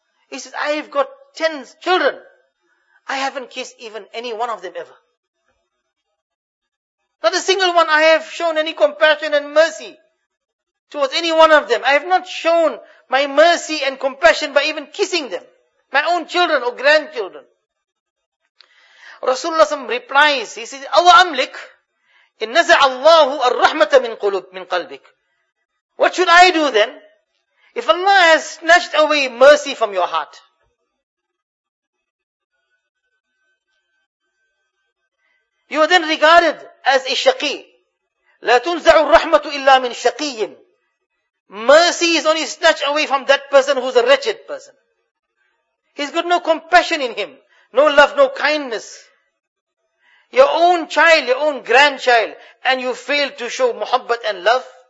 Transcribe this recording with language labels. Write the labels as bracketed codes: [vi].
[en] He says, I've got 10 children. I haven't kissed even any one of them ever. Not a single one. I have shown any compassion and mercy towards any one of them. I have not shown my mercy and compassion by even kissing them. My own children or grandchildren. Rasulullah SAW replies, he says, [ar] أَوَ أَمْلِكْ إِن نَزَعَ اللَّهُ الرَّحْمَةَ مِنْ قُلُوبِ مِنْ قَلْبِكَ. [en] What should I do then? If Allah has snatched away mercy from your heart, you are then regarded as a shaqi. [ar] لا تنزع الرحمة إلا من شقي. [en] Mercy is only snatched away from that person who is a wretched person. He's got no compassion in him. No love, no kindness. Your own child, your own grandchild, and you fail to show muhabbat and love.